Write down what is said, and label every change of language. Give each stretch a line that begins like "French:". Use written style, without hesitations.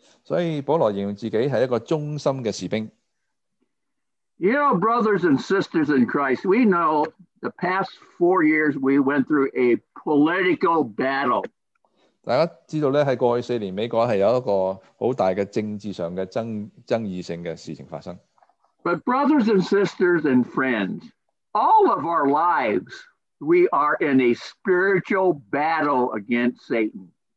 Cantonese: 所以保羅形容自己係一個忠心嘅士兵。
English: You know, brothers and sisters in Christ, we know the past 4 years we went through a political battle.
Cantonese: 大家知道咧，喺過去4年， 美國係有一個好大嘅政治上嘅爭議性嘅事情發生。
English: But brothers and sisters and friends, all of our lives, we are in a spiritual battle against Satan.